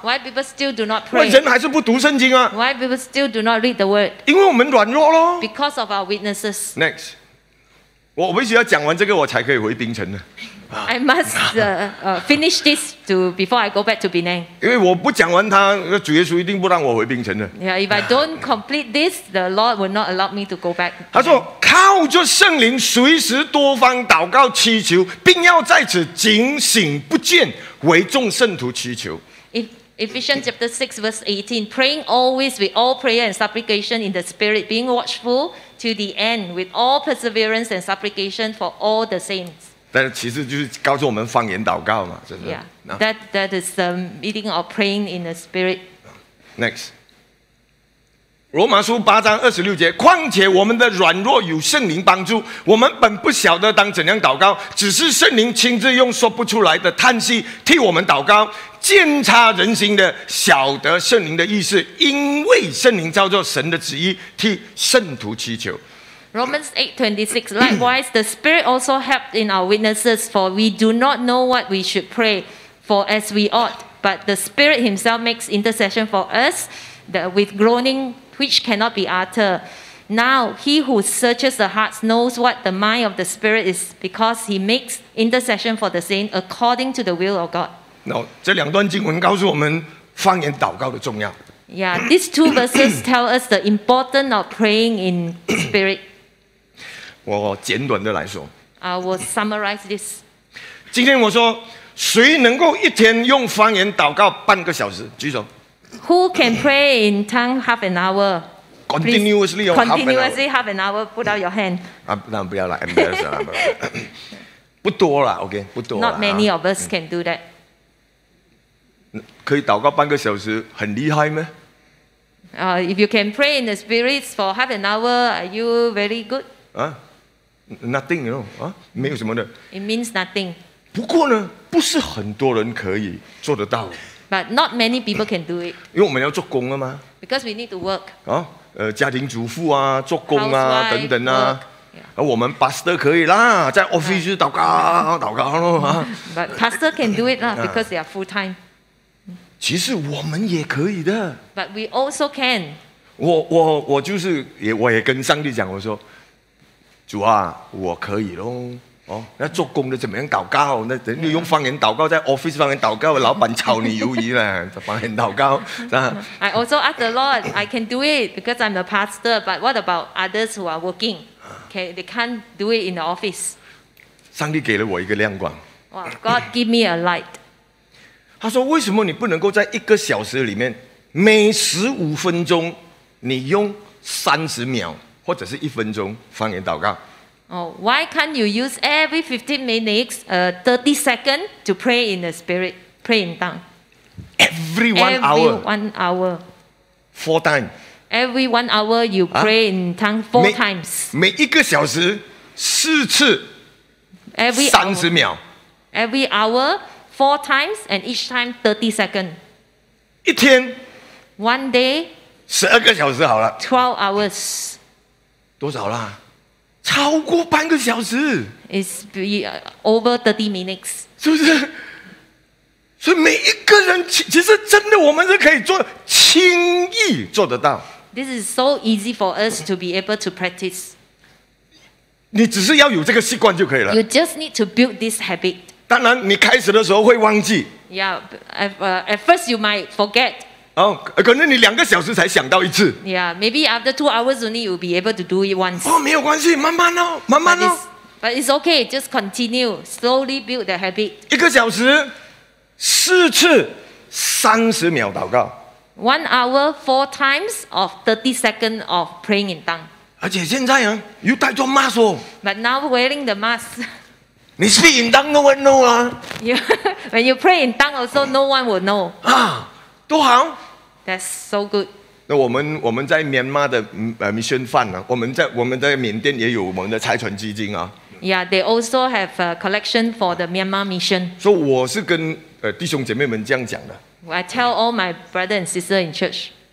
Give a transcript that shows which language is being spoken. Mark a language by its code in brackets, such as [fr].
[en] ？Why people still do not pray? [zh] 为人还是不读圣经啊 [en] ？Why people still do not read the word? [zh] 因为我们软弱咯。 [en] Because of our weaknesses. [zh] Next, 我必须要讲完这个，我才可以回槟城呢。 [en] I must finish this to before I go back to Penang. [zh] 因为我不讲完它，主耶稣一定不让我回槟城的。 [en] Yeah, if I don't complete this, the Lord will not allow me to go back. [zh] 他说：“靠着圣灵，随时多方祷告祈求，并要在此警醒不倦，为众圣徒祈求。” [en] Ephesians chapter 6 verse 18, praying always with all prayer and supplication in the Spirit, being watchful to the end with all perseverance and supplication for all the saints. [zh] 但其实就是告诉我们方言祷告嘛，是不是 [en] ？Yeah, that is the meaning of praying in the spirit. [zh] Next, 罗马书8:26，况且我们的软弱有圣灵帮助，我们本不晓得当怎样祷告，只是圣灵亲自用说不出来的叹息替我们祷告，鉴察人心的晓得圣灵的意思，因为圣灵照着神的旨意替圣徒祈求。 [en] Romans 8:26, likewise, the Spirit also helped in our weaknesses, for we do not know what we should pray for as we ought, but the Spirit himself makes intercession for us with groaning which cannot be uttered. Now, he who searches the hearts knows what the mind of the Spirit is, because he makes intercession for the saints according to the will of God. [zh] Now, 这两段经文告诉我们方言祷告的重要。 [en] Yeah, these two verses tell us the importance of praying in spirit. [zh] 我简短的来说。 [en] I will summarize this. [zh] 今天我说，谁能够一天用方言祷告半个小时？举手。 [en] Who can pray in tongue half an hour? Continuously, or continuously half an hour. Put out your hand. [zh] 啊，那不要了 ，embarrassed 了。不多了 ，OK， 不多了。 [en] Not many of us can do that. [zh] 可以祷告半个小时，很厉害吗？ [en] If you can pray in the spirits for half an hour, are you very good? Nothing, you know. [zh] 没有什么的。 [en] It means nothing. [zh] 不过呢，不是很多人可以做得到。 [en] But not many people can do it. [zh] 因为我们要做工了吗 [en] ？Because we need to work. [zh] 家庭主妇啊，做工啊， [en] housewife, [zh] 等等啊。 [en] Work. Yeah. [zh] 我们 pastor 可以啦，在 office 祷告祷告咯。 [en] But pastor can do it lah because they are full time. [zh] 其实我们也可以的。 [en] But we also can. [zh] 我就是也我也跟上帝讲，我说主啊，我可以咯。哦，那做工的怎么样祷告？那人家用方言祷告，在 office 方言祷告，老板炒你鱿鱼了，方言祷告。 [en] I also ask the Lord, I can do it because I'm the pastor. But what about others who are working? Okay, they can't do it in the office. [zh] 上帝给了我一个亮光。 [en] Wow, God give me a light. [zh] 他说：“为什么你不能够在一个小时里面，每十五分钟你用三十秒或者是一分钟方言祷告？” [en] Oh, why can't you use every 15 minutes, 30 seconds to pray in the spirit, pray in tongue? Every one hour. Four times. Every 1 hour, you pray in tongue four times. [zh] 每一个小时四次。 [en] Every [zh] 三十秒。 [en] Every hour four times, and each time 30 seconds. [zh] 一天。 [en] One day. [zh] 十二个小时好了。 [en] 12 hours. [zh] 多少啦？超过半个小时。 [en] It's over 30 minutes. [zh] 是不是？所以每一个人其实真的我们是可以做，轻易做得到。 [en] This is so easy for us to be able to practice. [zh] 你只是要有这个习惯就可以了。 [en] You just need to build this habit. [zh] 当然，你开始的时候会忘记。 [en] Yeah, at first you might forget. [zh] 哦，可能你两个小时才想到一次。 [en] Yeah, maybe after 2 hours only you'll be able to do it once. [zh] 哦，没有关系，慢慢哦，慢慢哦。 [en] But it's okay, just continue, slowly build the habit. [zh] 一个小时，四次，三十秒祷告。 [en] 1 hour, 4 times of 30 seconds of praying in tongue. [zh] 而且现在啊，又戴着 mask 哦。 [en] But now wearing the mask. 你 speak in tongue, no one know 啊。 When you pray in tongue, also no one will know. [zh] 啊，多好。 [en] That's so good. [zh] 那我们在缅甸的mission fund啊，我们在缅甸也有我们的财团基金啊。 [en] Yeah, they also have a collection for the Myanmar mission. [zh] 所以我是跟弟兄姐妹们这样讲的。 [en] I tell all my brother and sister in church.